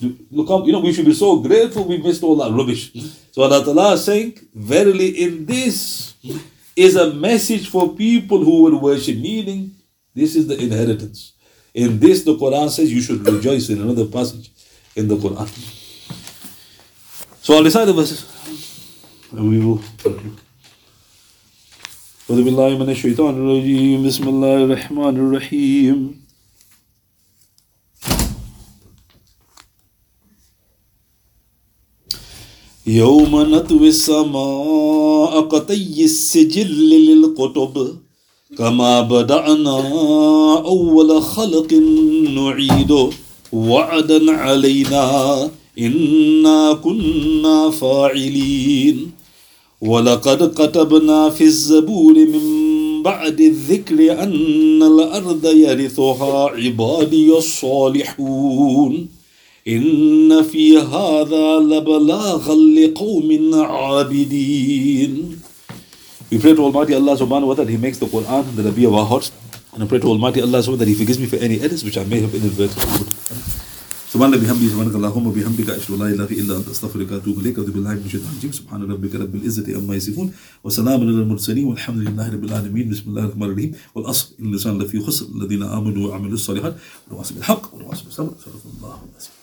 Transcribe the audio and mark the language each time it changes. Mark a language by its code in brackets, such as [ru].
[en] Look, you know, we should be so grateful we missed all that rubbish. So Allah Ta'ala is saying, verily in this is a message for people who would worship, meaning this is the inheritance. In this, the Quran says you should rejoice in another passage in the Quran. So I'll recite the verses and we will. [ar] أعوذ بالله من الشيطان الرجيم بسم الله الرحمن الرحيم يوم نطوي السماء كطي السجل للكتب كما بدأنا أول خلق نعيده وعدا علينا إنا كنا فاعلين وَلَقَدْ كَتَبْنَا فِي الزَّبُورِ مِنْ بَعْدِ الذِّكْرِ أَنَّ الْأَرْضَ يَرِثُهَا عِبَادِيَ الصَّالِحُونَ إِنَّ فِي هَذَا لَبَلَاغًا لِقَوْمٍ عَابِدِينَ. [en] We pray to Almighty Allah subhanahu wa ta'ala that He makes the Quran the Rabbi of our hearts. And I pray to Almighty Allah subhanahu wa ta'ala that He forgives me for any edits which I may have inadvertently. [ar] سبحانك بحمدك سبحانك اللهم وبحمدك أشهد أن لا إله إلا أنت أستغفرك وأتوب إليك أعوذ بالله من الشيطان الرجيم سبحان ربك رب العزة عما يصفون وسلام على المرسلين والحمد لله رب العالمين بسم الله الرحمن الرحيم والأصل إن الإنسان لفي خسر الذين آمنوا وعملوا الصالحات ورواصوا بالحق ورواصوا بالصبر صلى الله عليه وسلم.